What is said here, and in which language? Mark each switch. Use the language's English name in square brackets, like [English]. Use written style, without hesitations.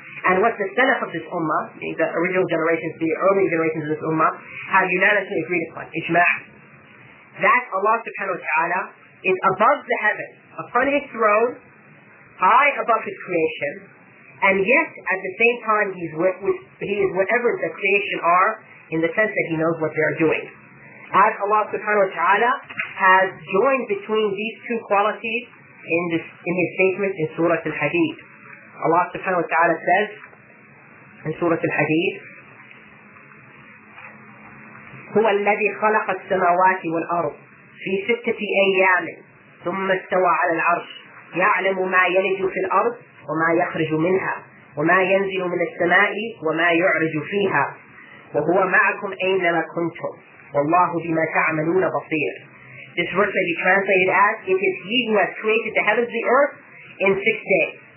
[English] And what the Salaf of this Ummah, meaning the original generations, the early generations of this Ummah, have unanimously agreed upon, ijma', that Allah subhanahu wa ta'ala is above the heavens, upon His throne, high above His creation, and yet at the same time He is whatever the creation are, in the sense that He knows what they are doing. As Allah subhanahu wa ta'ala has joined between these two qualities in His statement in Surah Al-Hadid. Allah subhanahu wa ta'ala says in Surah Al-Hadid, [Arabic] هو الذي خلق السماوات والأرض في ستة أيام ثم استوى على العرش يعلم ما يلج في الأرض وما يخرج منها وما ينزل من السماء وما يعرج فيها وَهُوَ مَعَكُمْ أَيْنَمَا كُنْتُمْ وَاللَّهُ بِمَا تَعْمَلُونَ بَصِيرٌ. [English] This verse may be translated as, it is He who has created the heavens and the earth in 6 days.